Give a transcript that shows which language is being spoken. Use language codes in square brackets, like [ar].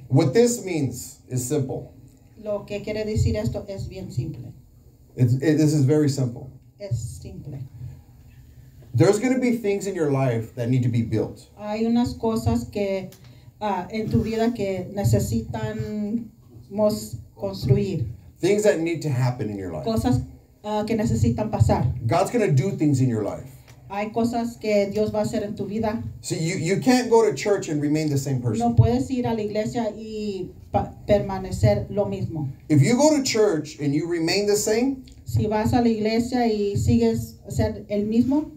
[en] What this means is simple. [es] Lo que quiere decir esto es bien simple. [en] This is very simple. [es] Es simple. [en] There's going to be things in your life that need to be built. [es] Hay unas cosas que en tu vida que necesitan mos construir. [en] Things that need to happen in your life. [es] Cosas que necesitan pasar. [en] God's going to do things in your life. [es] Hay cosas que Dios va a hacer en tu vida. [en] See, you can't go to church and remain the same person. [es] No puedes ir a la iglesia y permanecer lo mismo. [en] If you go to church and you remain the same, [es] si vas a la iglesia y sigues ser el mismo,